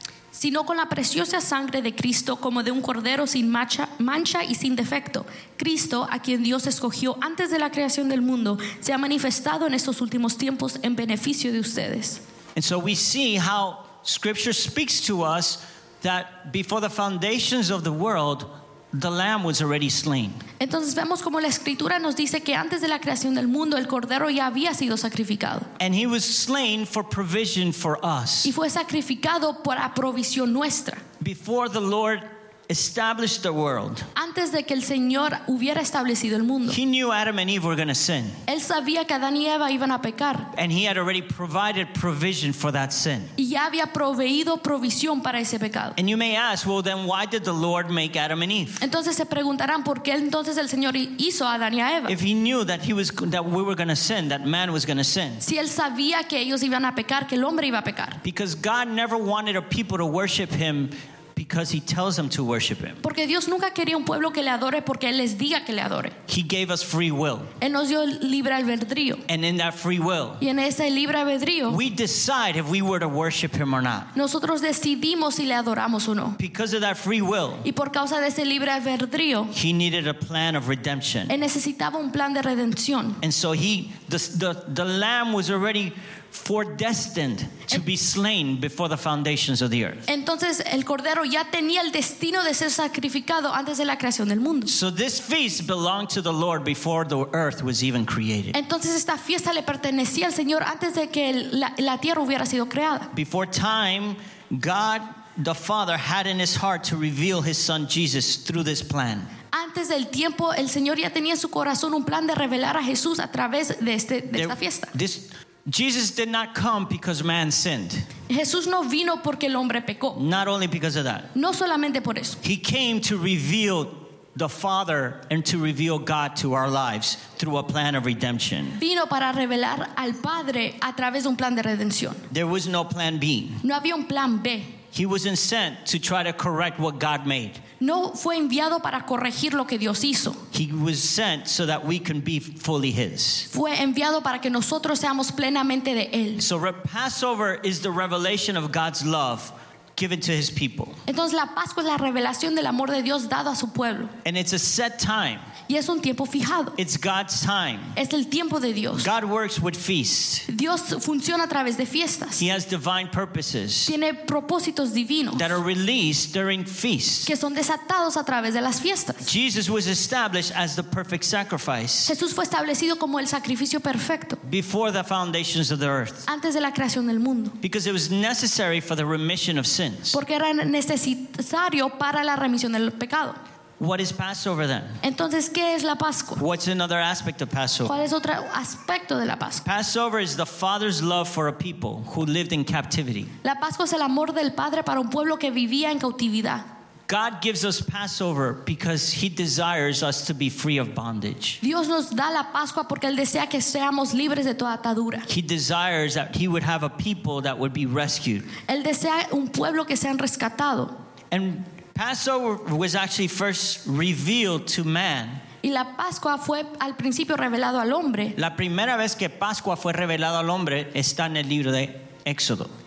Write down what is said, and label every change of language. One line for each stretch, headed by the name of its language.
Spanish: Sino con la preciosa sangre de Cristo como de un cordero sin mancha y sin defecto. Cristo, a quien Dios escogió antes de la creación del mundo, se ha manifestado en estos últimos tiempos en beneficio de ustedes.
English: And so we see how Scripture speaks to us that before the foundations of the world, the lamb was already slain.
Spanish: Entonces vemos como la escritura nos dice que antes de la creación del mundo el cordero ya había sido sacrificado.
English: And he was slain for provision for us.
Spanish: Y fue sacrificado para provisión nuestra.
English: Before the Lord established the world.
Spanish: Antes de que el Señor hubiera establecido el mundo.
English: He knew Adam and Eve were going to sin.
Spanish: Él sabía que Adán y Eva iban a pecar.
English: And he had already provided provision for that sin.
Spanish: Y ya había proveído provisión para ese pecado.
English: And you may ask, well, then why did the Lord make Adam and Eve?
Spanish: Entonces se preguntarán por qué entonces el Señor hizo a Adán y a Eva.
English: If he knew that we were going to sin, that man was going to sin.
Spanish: Si él sabía que ellos iban a pecar, que el hombre iba a pecar.
English: Because God never wanted a people to worship him. Because he tells them to worship him.
Spanish: Porque Dios nunca quería un pueblo que le adore porque él les diga que le adore.
English: He gave us free will.
Spanish: Él nos dio libre albedrío.
English: And in that free will,
Spanish: y en ese libre albedrío,
English: we decide if we were to worship him or not.
Spanish: Nosotros decidimos si le adoramos o no.
English: Because of that free will,
Spanish: y por causa de ese libre albedrío,
English: he needed a plan of redemption.
Spanish: Él necesitaba un plan de redención.
English: And so the lamb was already foredestined to be slain before the foundations of the earth.
Spanish: Entonces el cordero ya tenía el destino de ser sacrificado antes de la creación del mundo.
English: So this feast belonged to the Lord before the earth was even created.
Spanish: Entonces esta fiesta le pertenecía al Señor antes de que la tierra hubiera sido creada.
English: Before time, God the Father had in his heart to reveal his son Jesus through this plan.
Spanish: Antes del tiempo el Señor ya tenía en su corazón un plan de revelar a Jesús a través de esta fiesta.
English: Jesus did not come because man sinned.
Spanish: Jesús no vino porque el hombre pecó.
English: Not only because of that.
Spanish: No solamente por eso.
English: He came to reveal the Father and to reveal God to our lives through a plan of redemption.
Spanish: Vino para revelar al Padre a través de un plan de redención.
English: There was no plan B.
Spanish: No había un plan B.
English: He wasn't sent to try to correct what God made.
Spanish: No fue enviado para corregir lo que Dios hizo.
English: He was sent so that we can be fully His.
Spanish: Fue enviado para que nosotros seamos plenamente de Él.
English: So Passover is the revelation of God's love given to His people.
Spanish: Entonces la Pascua es la revelación del amor de Dios dado a su pueblo.
English: And it's a set time.
Spanish: Y es un tiempo fijado.
English: It's God's time.
Spanish: Es el tiempo de Dios.
English: God works with feasts.
Spanish: Dios funciona a través de fiestas.
English: He has divine purposes.
Spanish: Tiene propósitos divinos.
English: That are released during feasts.
Spanish: Que son desatados a través de las fiestas.
English: Jesus was established as the perfect sacrifice.
Spanish: Jesús fue establecido como el sacrificio perfecto.
English: Before the foundations of the earth.
Spanish: Antes de la creación del mundo.
English: Because it was necessary for the remission of sins.
Spanish: Porque era necesario para la remisión del pecado.
English: What is Passover then?
Spanish: Entonces, ¿qué es la Pascua?
English: What's another aspect of Passover?
Spanish: ¿Cuál es otro aspecto de la Pascua?
English: Passover is the Father's love for a people who lived in captivity.
Spanish: La Pascua es el amor del Padre para un pueblo que vivía en cautividad.
English: God gives us Passover because He desires us to be free of bondage.
Spanish: Dios nos da la Pascua porque Él desea que seamos libres de toda atadura.
English: He desires that He would have a people that would be rescued.
Spanish: Él desea un pueblo que sean rescatado.
English: And Passover was actually first revealed to man.
Spanish: Y la Pascua fue al principio revelado al hombre. La primera vez que Pascua fue revelado al hombre está en el libro de Éxodo.